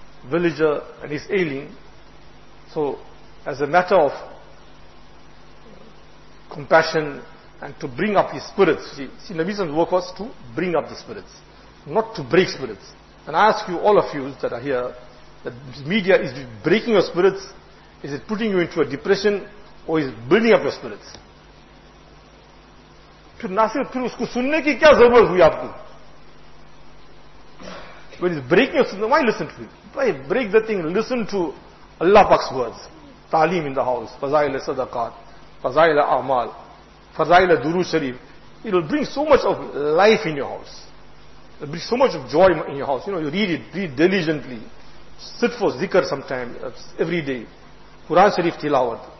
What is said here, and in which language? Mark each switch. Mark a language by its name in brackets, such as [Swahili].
[English] Villager, and he's ailing. So, as a matter of compassion and to bring up his spirits, see Nabi Sam's work was to bring up the spirits, not to break spirits. And I ask you, all of you that are here, that media, is it breaking your spirits? Is it putting you into a depression? Or is it building up your spirits? [Urdu] پھر نہ صرف پھر اس کو سننے کی کیا ضرورت ہوئی آپ کو, [English] when he's breaking your sunnah, why listen to him? Why break the thing? Listen to Allah Pak's words. Taleem in the house, fazail-e sadaqat, fazail-e amal, fazail-e durood sharif. It will bring so much of life in your house. It will bring so much of joy in your house. You know, you read it, read diligently. Sit for zikr sometime, every day. Quran sharif tilawat.